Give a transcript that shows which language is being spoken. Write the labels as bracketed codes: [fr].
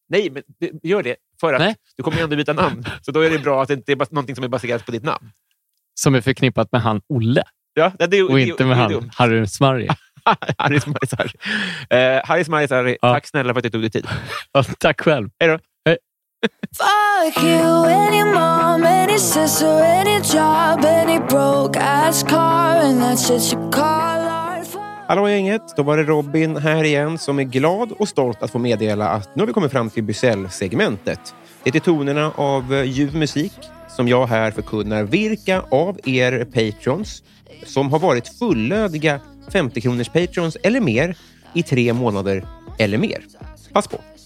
[sv] Nej, men gör det. För att du kommer ändå byta namn. Så då är det bra att det inte är någonting som är baserat på ditt namn. Som är förknippat med han Olle. Ja, det är ju... Och inte med han Harry Smarri. Harry Smarri, sorry. Harry Smarri, sorry. Ja. Tack snälla för att du tog dig tid. Ja, tack själv. Hej då. Hej. [en] Fuck you and your mom and your sister and your job and your broke ass car and that's just your car. [sv] Hallå gänget, då var det Robin här igen som är glad och stolt att få meddela att nu har vi kommit fram till Bysell-segmentet. Det är tonerna av ljuv musik som jag här förkunnar vilka av er patrons som har varit fullödiga 50-kronors patrons eller mer i 3 månader eller mer. Pass på.